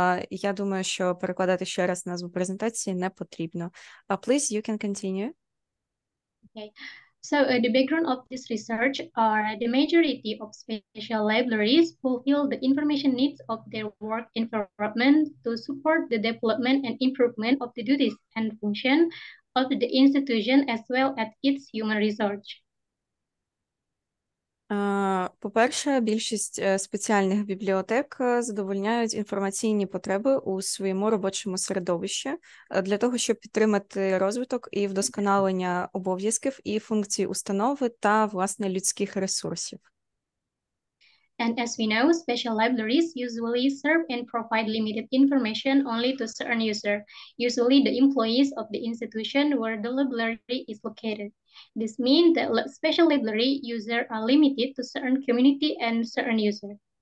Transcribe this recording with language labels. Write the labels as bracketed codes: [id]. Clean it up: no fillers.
[uk] Я думаю, що перекладати ще раз назву презентації не потрібно. [en] Please, you can continue. Okay. So the background of this research are the majority of special libraries fulfill the information needs of their work environment to support the development and improvement of the duties and function of the institution as well as its human research. [uk] По-перше, більшість спеціальних бібліотек задовольняють інформаційні потреби у своєму робочому середовищі для того, щоб підтримати розвиток і вдосконалення обов'язків і функцій установи та, власне, людських ресурсів. [en] And as we know, special libraries usually serve and provide limited information only to certain users, usually the employees of the institution where the library is located. This means that special library users are limited to certain community and certain user.